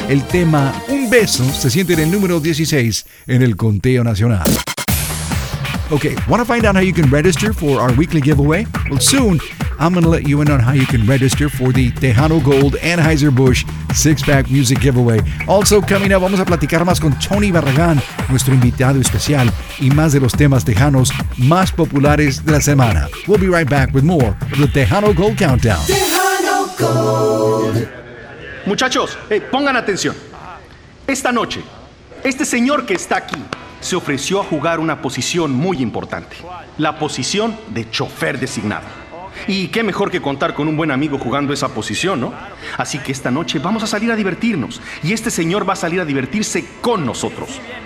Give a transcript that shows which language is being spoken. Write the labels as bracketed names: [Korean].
[Spanish] El tema Un Beso se siente en el número 16 en el conteo nacional. [English] Okay, want to find out how you can register for our weekly giveaway? Well, soon, I'm going to let you in on how you can register for the Tejano Gold Anheuser-Busch six-pack music giveaway. Also coming up, [Spanish] vamos a platicar más con Tony Barragán, nuestro invitado especial, y más de los temas tejanos más populares de la semana. [English] We'll be right back with more of the Tejano Gold Countdown. Tejano [Spanish] Gold. Muchachos, hey, pongan atención. Esta noche, este señor que está aquí se ofreció a jugar una posición muy importante. La posición de chofer designado. Y qué mejor que contar con un buen amigo jugando esa posición, ¿no? Así que esta noche vamos a salir a divertirnos. Y este señor va a salir a divertirse con nosotros.